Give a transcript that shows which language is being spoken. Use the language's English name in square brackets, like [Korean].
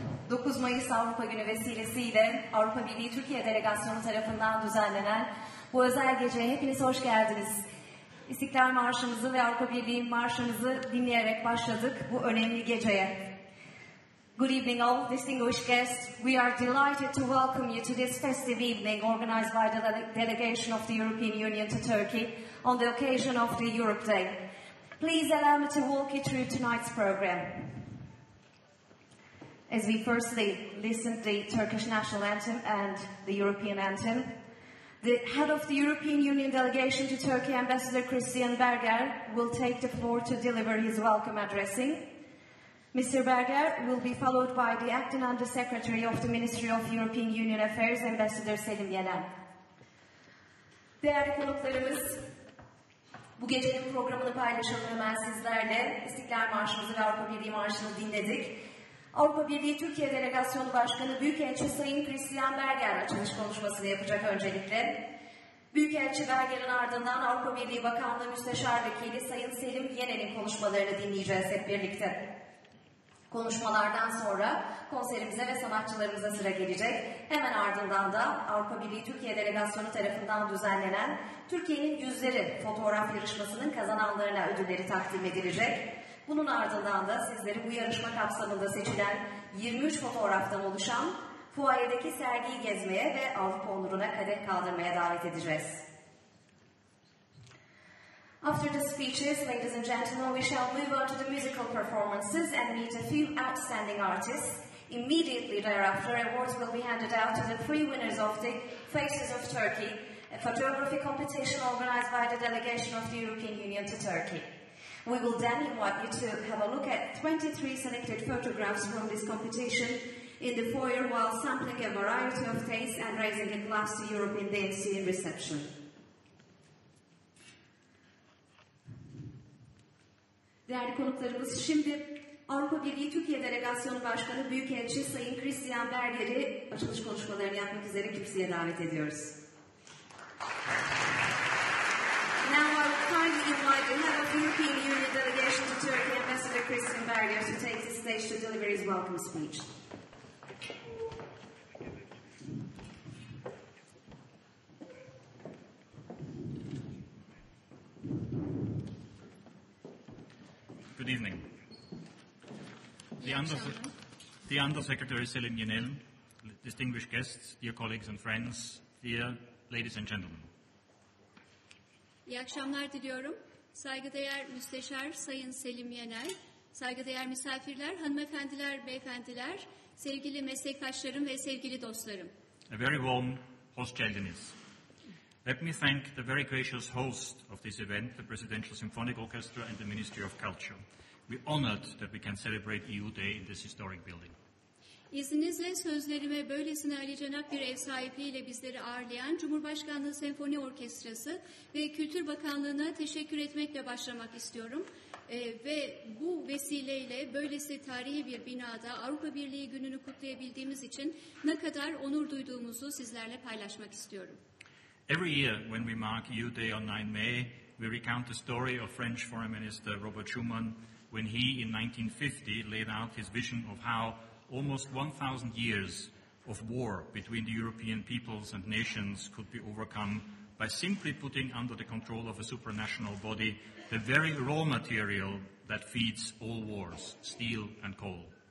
[Turkish] 9 Mayıs Avrupa Günü vesilesiyle Avrupa Birliği Türkiye Delegasyonu tarafından düzenlenen bu özel geceye hepiniz hoş geldiniz. İstiklal Marşımızı ve Avrupa Birliği Marşımızı dinleyerek başladık bu önemli geceye. [English] Good evening all distinguished guests. We are delighted to welcome you to this festive evening organized by the delegation of the European Union to Turkey on the occasion of the Europe Day. Please allow me to walk you through tonight's program. As we firstly listen to the Turkish national anthem and the European anthem, the head of the European Union delegation to Turkey, Ambassador Christian Berger, will take the floor to deliver his welcome addressing. Mr. Berger will be followed by the Acting Undersecretary of the Ministry of European Union Affairs, Ambassador Selim Yenen. [Turkish] Değerli konuklarımız, bu gecenin programını paylaşalım hemen sizlerle. İstiklal Marşımızı ve Avrupa Birliği Marşını dinledik. Avrupa Birliği Türkiye Delegasyonu Başkanı Büyükelçi Sayın Christian Berger açılış konuşmasını yapacak öncelikle. Büyükelçi Berger'in ardından Avrupa Birliği Bakanlığı Müsteşar Vekili Sayın Selim Yenen'in konuşmalarını dinleyeceğiz hep birlikte. Konuşmalardan sonra konserimize ve sanatçılarımıza sıra gelecek. Hemen ardından da Avrupa Birliği Türkiye Delegasyonu tarafından düzenlenen Türkiye'nin Yüzleri fotoğraf yarışmasının kazananlarına ödülleri takdim edilecek. Bunun ardından da sizleri bu yarışma kapsamında seçilen 23 fotoğraftan oluşan fuayedeki sergiyi gezmeye ve Avrupa onuruna kadeh kaldırmaya davet edeceğiz. [English] After the speeches, ladies and gentlemen, we shall move on to the musical performances and meet a few outstanding artists. Immediately thereafter, awards will be handed out to the three winners of the Faces of Turkey, a photography competition organized by the delegation of the European Union to Turkey. We will then invite you to have a look at 23 selected photographs from this competition in the foyer while sampling a variety of tastes and raising a glass to Europe in the ensuing reception. [Turkish] Değerli konuklarımız, şimdi Avrupa Birliği Türkiye Delegasyonu Başkanı Büyükelçi Sayın Christian Berger'i açılış konuşmalarını yapmak üzere kürsüye davet ediyoruz. [English] Now I kindly invite the head of the European Union delegation to Turkey, Ambassador Christian Berger, to take the stage to deliver his welcome speech. Good evening. The Undersecretary Selim Yenel, distinguished guests, dear colleagues and friends, dear ladies and gentlemen. [Turkish] İyi akşamlar diliyorum. Saygıdeğer Müsteşar Sayın Selim Yener, saygıdeğer misafirler, hanımefendiler, beyefendiler, sevgili meslektaşlarım ve sevgili dostlarım. [English] A very warm [Turkish] hoş geldiniz. [English] Let me thank the very gracious host of this event, the Presidential Symphonic Orchestra and the Ministry of Culture. We honored that we can celebrate EU Day in this historic building. [Turkish] İzninizle sözlerime böylesine alicenap bir ev sahipliğiyle bizleri ağırlayan Cumhurbaşkanlığı Senfoni Orkestrası ve Kültür Bakanlığı'na teşekkür etmekle başlamak istiyorum. Ve bu vesileyle böylesi tarihi bir binada Avrupa Birliği gününü kutlayabildiğimiz için ne kadar onur duyduğumuzu sizlerle paylaşmak istiyorum. [English] Every year when we mark EU Day on 9 May, we recount the story of French Foreign Minister Robert Schuman when he in 1950 laid out his vision of how almost 1,000 years of war between the European peoples and nations could be overcome by simply putting under the control of a supranational body the very raw material that feeds all wars, steel and coal.